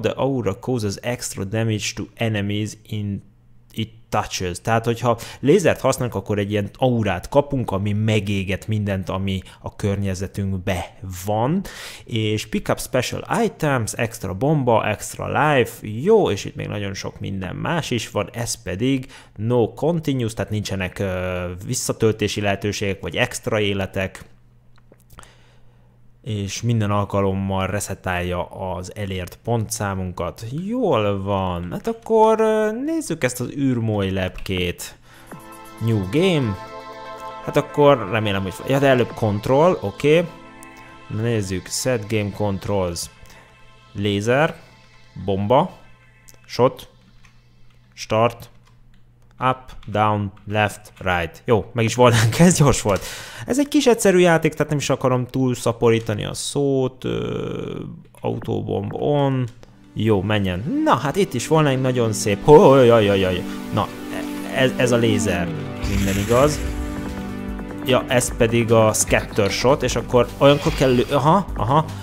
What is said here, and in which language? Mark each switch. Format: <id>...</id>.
<en>The aura causes extra damage to enemies in it touches.</en> <hu>Tehát, hogyha lézert használunk, akkor egy ilyen aurát kapunk, ami megéget mindent, ami a környezetünkbe van. És</hu> <en>pick up special items,</en> <hu>extra bomba, extra life, jó, és itt még nagyon sok minden más is van, ez pedig</hu> <en>no continues,</en> <hu>tehát nincsenek visszatöltési lehetőségek, vagy extra életek, és minden alkalommal reszetálja az elért pontszámunkat. Jól van, hát akkor nézzük ezt az űrmoly lepkét.</hu> <en>New game.</en> <hu>Hát akkor remélem, hogy... Ja, de előbb control, oké. Okay. Nézzük, set game controls.</hu> <en>Laser, bomba, shot, start, up, down, left, right.</en> <hu>Jó, meg is volt, ez gyors volt. Ez egy kis egyszerű játék, tehát nem is akarom túlszaporítani a szót. Autobomb on. Jó, menjen. Na, hát itt is volna egy nagyon szép... Jajajajajaj. Na, ez a lézer. Minden igaz. Ja, ez pedig a scattershot, és akkor olyankor kell lő... Aha.</hu>